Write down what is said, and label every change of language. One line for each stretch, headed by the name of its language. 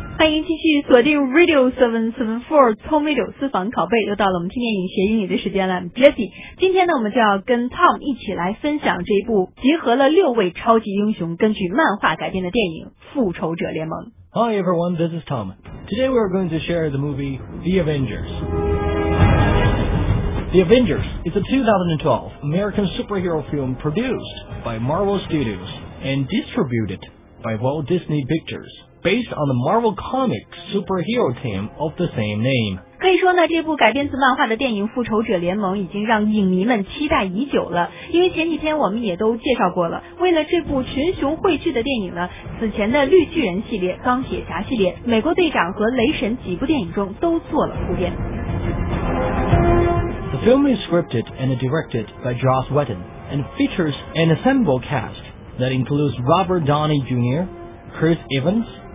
Chinese: 欢迎继续锁定 Radio 774聪妹柳私房拷贝，又到了我们听电影学英语的时间了。 Jessie， 今天呢我们就要跟 Tom 一起来分享这一部集合了六位超级英雄根据漫画改编的电影复仇者联盟。
English: Hi everyone, this is Tom. Today we are going to share the movie The Avengers. The Avengers is a 2012 American superhero film produced by Marvel Studios and distributed by Walt Disney Pictures. Based on the Marvel Comics superhero team of the same name.
Chinese: 可以说呢，这部改编自漫画的电影《复仇者联盟》已经让影迷们期待已久了。因为前几天我们也都介绍过了，为了这部群雄汇聚的电影呢，此前的绿巨人系列、钢铁侠系列、美国队长和雷神几部电影中都做了铺垫。
English: The film is scripted and directed by Joss Whedon and features an ensemble cast that includes Robert Downey Jr., Chris Evans.